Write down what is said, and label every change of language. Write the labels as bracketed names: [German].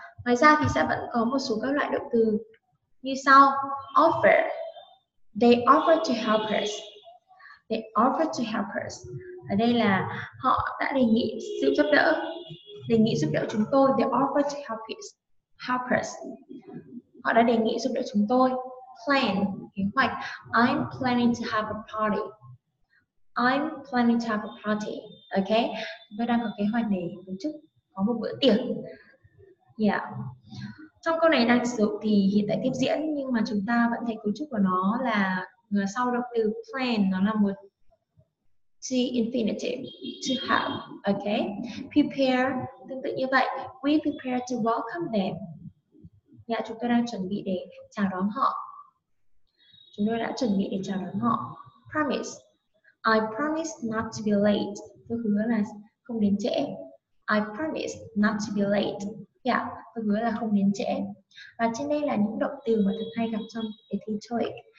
[Vietnamese] Ngoài ra thì sẽ vẫn có một số các loại động từ như sau. Offer. [English] They offer to help us. They offer to help us. [Vietnamese] Ở đây là họ đã đề nghị sự giúp đỡ. Đề nghị giúp đỡ chúng tôi. [English] They offer to help us. Help us. [Vietnamese] Họ đã đề nghị giúp đỡ chúng tôi. Plan, kế hoạch. [English] I'm planning to have a party. I'm planning to have a party. Okay. [Vietnamese] Tôi đang có kế hoạch để tổ chức có một bữa tiệc. Yeah. Trong câu này đang sử dụng thì hiện tại tiếp diễn nhưng mà chúng ta vẫn thấy cấu trúc của nó là sau động từ plan nó là một to infinitive to have. Okay. Prepare tương tự như vậy. [English] We prepare to welcome them. [Vietnamese] Yeah, chúng tôi đang chuẩn bị để chào đón họ. Chúng tôi đã chuẩn bị để chào đón họ. [English] Promise. I promise not to be late. [Vietnamese] Tôi hứa là không đến trễ. [English] I promise not to be late. [Vietnamese] Yeah, tôi hứa là không đến trễ. Và trên đây là những động từ mà thật hay gặp trong đề thi TOEIC.